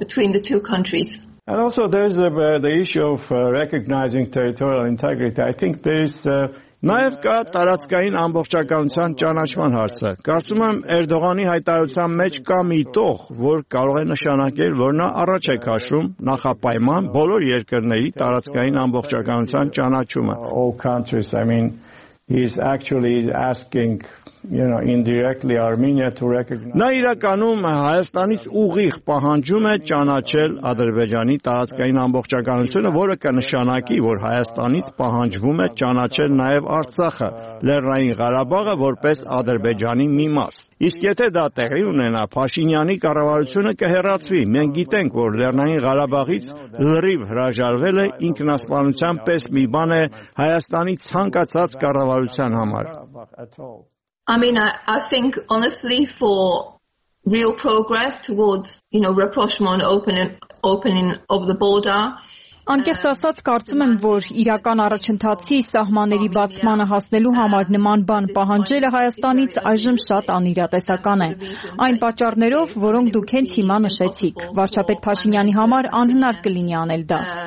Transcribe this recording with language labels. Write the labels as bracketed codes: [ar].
[en] And also there's the issue of recognizing territorial integrity. I think there's [hy] Նաև կա տարածքային ամբողջականության ճանաչման հարցը։ Կարծում եմ, Էրդողանի հայտարարության մեջ կա մի տող, որ կարող է նշանակել, որ նա առաջ է քաշում նախապայման բոլոր երկրների տարածքային ամբողջականության ճանաչումը։ [en] All countries, I mean, he's actually asking, you know, indirectly Armenia to recognize. [hy] Նա իրականում Հայաստանից ուղիղ պահանջում է ճանաչել Ադրբեջանի տարածքային ամբողջականությունը, որը կնշանակի, որ Հայաստանից պահանջվում է ճանաչել նաև Արցախը, Լեռնային Ղարաբաղը որպես Ադրբեջանի մի մաս։ Իսկ եթե դա տեղի ունենա, Փաշինյանի կառավարությունը կհեռացվի։ Մենք գիտենք, որ Լեռնային Ղարաբաղից լրիվ հրաժարվել է ինքնասպանության պես մի բան է Հայաստանի ցանկացած կառավարության համար։ [en] I mean, I think honestly, for real progress towards, you know, rapprochement, opening of the border. [hy] Անկեղծ ասած, կարծում եմ, որ իրական առաջընթացի սահմանների բացմանը հասնելու համար նման բան պահանջելը Հայաստանից այժմ շատ անիրատեսական է։ Այն պատճառներով, որոնք դուք հենց հիմա նշեցիք, վարչապետ Փաշինյանի համար անհնար կլինի անել դա։